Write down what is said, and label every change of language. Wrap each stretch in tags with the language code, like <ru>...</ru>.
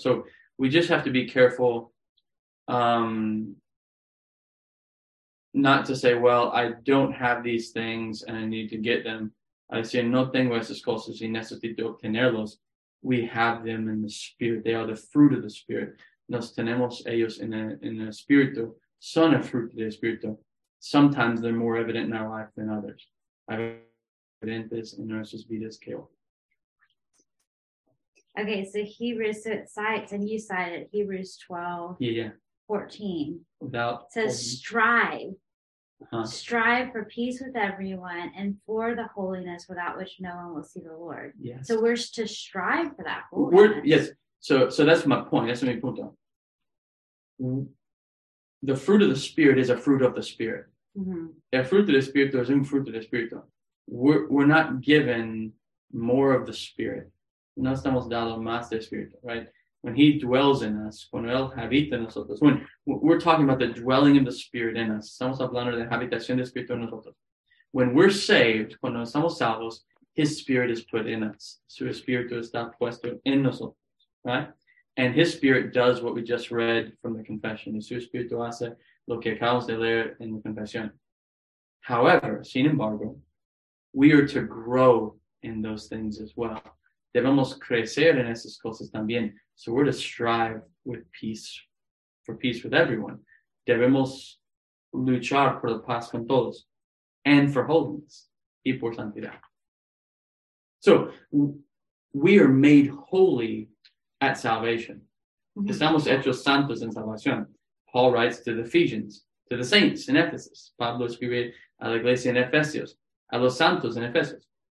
<en>So we just have to be careful not to say, well, I don't have these things and I need to get them. I say,</en> <es>no tengo esas cosas y necesito obtenerlos.</es> <en>We have them in the Spirit. They are the fruit of the Spirit.</en> <es>Nos tenemos ellos en el Espíritu. Son el fruto del Espíritu.</es> <en>Sometimes they're more evident in our life than others. I have</en> <es>evidentes en nuestras vidas que otros.</es> <en>Okay, so Hebrews, so it cites, and you cite it, Hebrews 12, 14. Without it says, strive. Strive for peace with everyone and for the holiness without which no one will see the Lord. Yes. So we're to strive for that holiness. So that's my point. That's my punto. The fruit of the Spirit is a fruit of the Spirit. Mm-hmm.</en> <es>El fruto del Espíritu es un fruto del Espíritu.</es> <en>We're not given more of the Spirit.</en> <es>No estamos dados más de Espíritu,</es> <en>right? When he dwells in us,</en> <es>cuando él habita en nosotros.</es> <en>When we're talking about the dwelling of the Spirit in us.</en> <es>Estamos hablando de la habitación del Espíritu en nosotros.</es> <en>When we're saved,</en> <es>cuando estamos salvos,</es> <en>his Spirit is put in us.</en> <es>Su Espíritu está puesto en nosotros,</es> <en>right? And his Spirit does what we just read from the confession.</en> <es>Su Espíritu hace lo que acabamos de leer en la confesión.</es> <en>However,</en> <es>sin embargo,</es> <en>we are to grow in those things as well.</en> <es>Debemos crecer en esas cosas también.</es> <en>So we're to strive with peace, for peace with everyone.</en> <es>Debemos luchar por la paz con todos</es> <en>and for holiness</en> <es>y por santidad.</es> <en>So we are made holy at salvation.</en> <es>Estamos hechos santos en salvación.</es> <en>Paul writes to the Ephesians, to the saints in Ephesus.</en> <es>Pablo escribe a la iglesia en Efesios, a los santos en Efesios.</es>